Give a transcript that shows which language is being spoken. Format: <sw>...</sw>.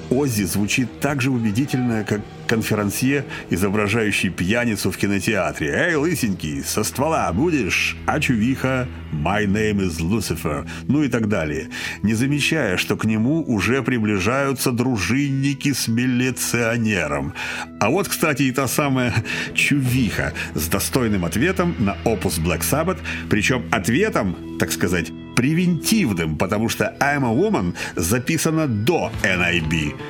<ru>Оззи звучит так же убедительно, как конферансье, изображающий пьяницу в кинотеатре. «Эй, лысенький, со ствола будешь? Ачувиха,</ru> <en>my name is Lucifer».</en> <ru>Ну и так далее. Не замечая, что к нему уже приближаются дружинники с милиционером. А вот, кстати, и та самая Чувиха с достойным ответом на опус Black Sabbath, причем ответом, так сказать, превентивным, потому что «I'm a woman» записано до NIB.</ru>